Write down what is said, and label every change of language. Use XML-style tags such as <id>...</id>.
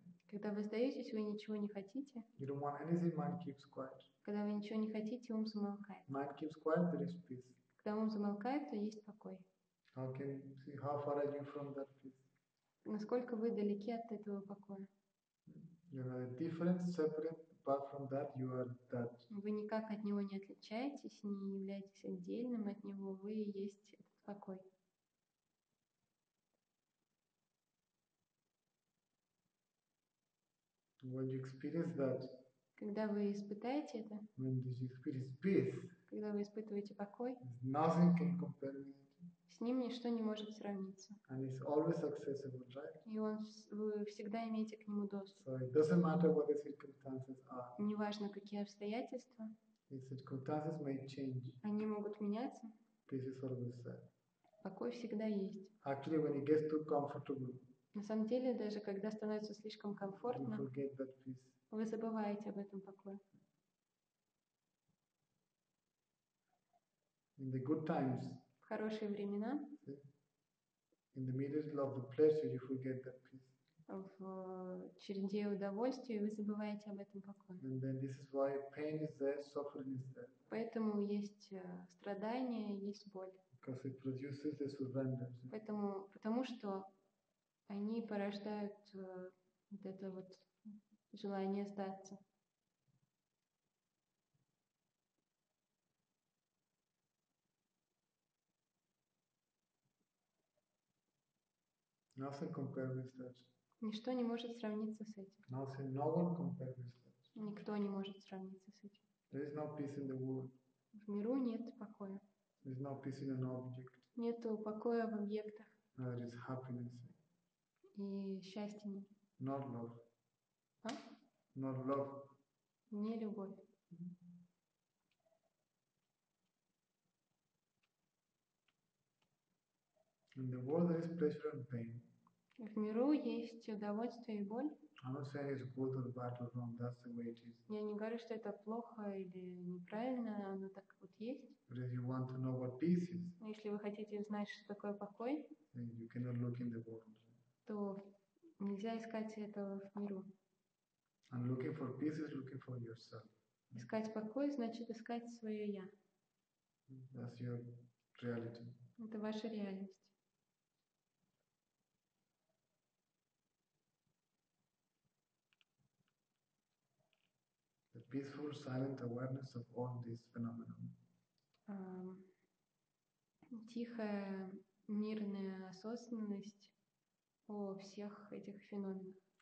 <ru>Когда вы сдаетесь, вы ничего не хотите. Когда вы ничего не хотите, ум замолкает.</ru> <en>Mind keeps quiet, there is peace.</en> <ru>Когда ум замолкает, то есть покой.</ru> <en>How can you see how far are you from that peace?</en> <ru>Насколько вы далеки от этого покоя?</ru> <en>You are different, separate, apart from that, you are that.</en> <ru>Вы никак от него не отличаетесь, не являетесь отдельным от него, вы и есть этот покой.</ru> <en>When you experience that,</en> <ru>когда вы испытаете это,</ru> <en>when you experience peace,</en> <ru>когда вы испытываете покой,</ru> <en>nothing can compare with it.</en> <ru>С ним ничто не может сравниться.</ru> <en>And it's always accessible, right?</en> <ru>И он, вы всегда имеете к нему доступ.</ru> <en>So it doesn't matter what the circumstances are.</en> <ru>Неважно, какие обстоятельства.</ru> <en>The circumstances may change.</en> <ru>Они могут меняться.</ru> <en>Peace is always there.</en> <ru>Покой всегда есть.</ru> <en>Actually, when it gets too comfortable,</en> <ru>на самом деле, даже когда становится слишком комфортно, вы забываете об этом покое.</ru> <en>In the good times,</en> <ru>в хорошие времена,</ru> <en>in the middle of the pleasure, you forget that peace.</en> <ru>В череде удовольствия вы забываете об этом покое.</ru> <en>And then this is why pain is there, suffering is there.</en> <ru>Поэтому есть страдания, есть боль.</ru> <en>Because it produces the surrender.</en> <ru>Поэтому, потому что они порождают вот это вот желание сдаться.</ru> <en>Nothing compared with that.</en> <ru>Ничто не может сравниться с этим.</ru> <en>Nothing novel compared with that.</en> <ru>Никто не может сравниться с этим.</ru> <en>There is no peace in the world.</en> <ru>В миру нет покоя.</ru> <en>There is no peace in an object.</en> <ru>Нету покоя в объектах.</ru> <en>No, there is happiness.</en> <ru>И счастье нет.</ru> <en>Not love. А? Not love.</en> <ru>Не любовь.</ru> <en>In the world there is pleasure and pain.</en> <ru>В миру есть удовольствие и боль.</ru> <en>I'm not saying it's good or bad or wrong, that's the way it is.</en> <ru>Я не говорю, что это плохо или неправильно, оно так вот есть.</ru> <en>But if you want to know what peace is,</en> <ru>если вы хотите знать, что такое покой,</ru> <en>then you cannot look in the world.</en> <ru>То нельзя искать этого в миру.</ru> <en>And looking for peace is looking for yourself.</en> <ru>Искать покой значит искать свое я.</ru> <en>That's your reality.</en> <ru>Это ваша реальность.</ru> <en>The peaceful, silent awareness of all these phenomena.</en> <ru>Тихая, мирная осознанность о всех этих феноменах.</ru>